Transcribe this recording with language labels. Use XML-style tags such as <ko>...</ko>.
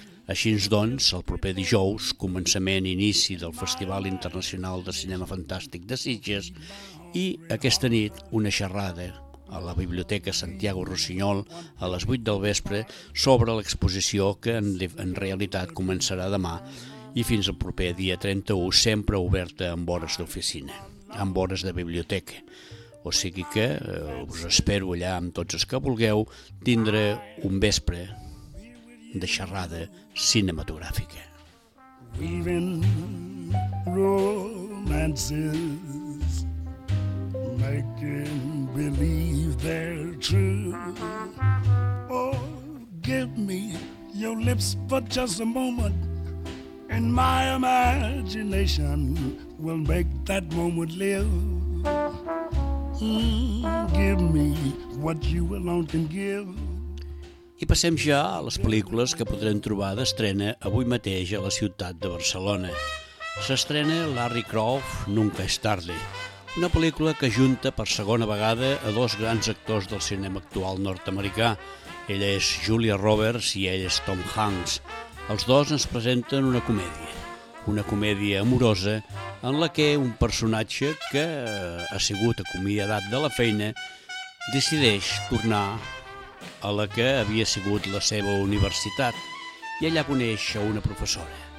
<ca>Així, doncs, el proper dijous, començament i inici del Festival Internacional de Cinema Fantàstic de Sitges, i aquesta nit una xerrada a la Biblioteca Santiago Rusiñol a les 8 del vespre sobre l'exposició que en realitat començarà demà i fins al proper dia 31, sempre oberta amb hores d'oficina, amb hores de biblioteca. O sigui que us espero allà amb tots els que vulgueu tindre un vespre de xerrada cinematogràfica.</ca> <en>Weaving romances, making believe they're true. Oh, give me your lips for just a moment, and my imagination will make that moment live. Give me what you alone can give.</en> <ca>I passem ja a les pel·lícules que podrem trobar d'estrena avui mateix a la ciutat de Barcelona. S'estrena Larry Croft, Nunca es tarde, una pel·lícula que junta per segona vegada a dos grans actors del cinema actual nord-americà. Ella és Julia Roberts i ell és Tom Hanks. Els dos ens presenten una comèdia amorosa en la que un personatge que ha sigut acomiadat de la feina decideix tornar a la que havia sigut la seva universitat i allà coneix una professora.</ca>